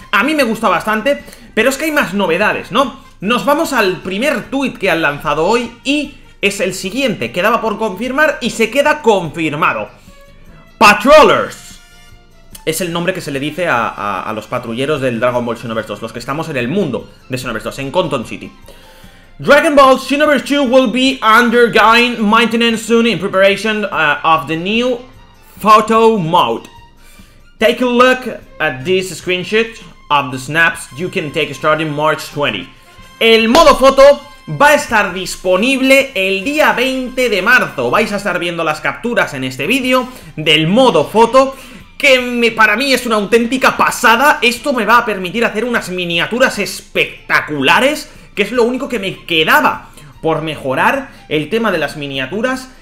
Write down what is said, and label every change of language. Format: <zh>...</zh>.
<es>A mí me gusta bastante, pero es que hay más novedades, ¿no? Nos vamos al primer tuit que han lanzado hoy y es el siguiente. Quedaba por confirmar y se queda confirmado. Patrollers. Es el nombre que se le dice a los patrulleros del Dragon Ball Xenoverse 2, los que estamos en el mundo de Xenoverse 2, en Canton City.</es> <en>Dragon Ball Xenoverse 2 will be undergoing maintenance soon in preparation of the new photo mode. Take a look at this screenshot of the snaps you can take starting March 20.</en> <es>El modo foto va a estar disponible el día 20 de marzo. Vais a estar viendo las capturas en este vídeo del modo foto, que para mí es una auténtica pasada. Esto me va a permitir hacer unas miniaturas espectaculares, que es lo único que me quedaba por mejorar, el tema de las miniaturas.</es>